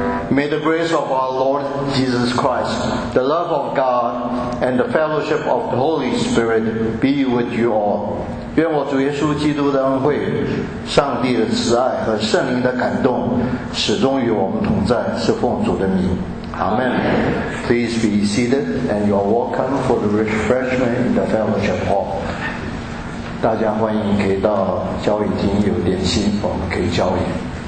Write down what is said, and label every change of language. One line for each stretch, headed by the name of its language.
English: May the grace of our Lord Jesus Christ, the love of God, and the fellowship of the Holy Spirit be with you all.
Chinese: 愿我主耶稣基督的恩惠，上帝的慈爱和圣灵的感动，始终与我们同在，是奉主的名。
English: Amen. Please be seated, and you are welcome for the refreshment in the fellowship hall.
Chinese: 大家欢迎可以到交易厅有点心，我们可以交易。